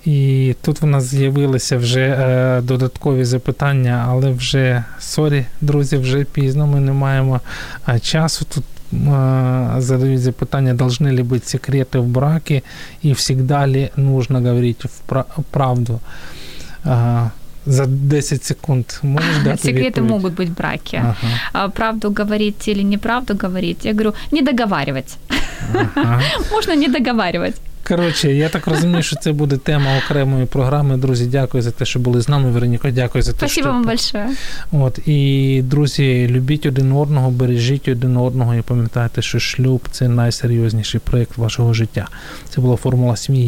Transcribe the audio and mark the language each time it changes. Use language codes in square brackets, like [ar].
[uk] І тут в нас з'явилися вже додаткові запитання, але вже, сорі, друзі, вже пізно, ми не маємо часу тут. Задають запитання, [ru] должны ли быть секреты в браке и всегда ли нужно говорить правду. За 10 секунд можешь дать секреты [uk] відповідь? [ru] Могут быть в браке. Ага. Правду говорить или неправду говорить? Я говорю, не договаривать. Ага. Можно не договаривать. [uk] Коротше, я так розумію, що це буде тема окремої програми. Друзі, дякую за те, що були з нами. Вероніко, дякую за те, [ru] спасибо, [uk] що... [ru] Спасибо вам большое. [uk] От, і, друзі, любіть один одного, бережіть один одного і пам'ятайте, що шлюб – це найсерйозніший проєкт вашого життя. Це була «Формула сім'ї».